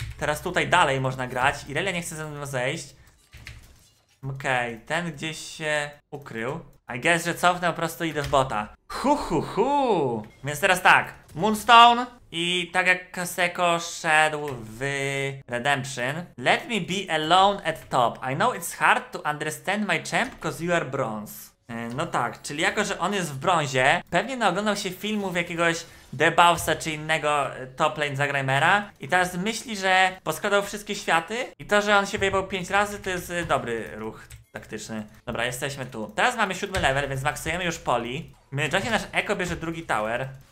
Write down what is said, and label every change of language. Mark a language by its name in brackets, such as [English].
[Polish] Teraz tutaj dalej można grać. Irelia nie chce ze mną zejść. Okej, okay, ten gdzieś się ukrył. [English] I guess, [Polish] że cofnę po prostu i idę w bota. Hu hu hu! Więc teraz tak, Moonstone. I tak jak Kaseko szedł w Redemption. [English] Let me be alone at top. I know it's hard to understand my champ, cause you are bronze. [Polish] No tak, czyli jako, że on jest w brązie, pewnie naoglądał się filmów jakiegoś The Bowsa czy innego top lane Zagrimera i teraz myśli, że poskładał wszystkie światy i to, że on się wyjebał 5 razy, to jest dobry ruch taktyczny. Dobra, jesteśmy tu. Teraz mamy 7 level, więc maksujemy już poli. W międzyczasie nasz Echo bierze drugi tower.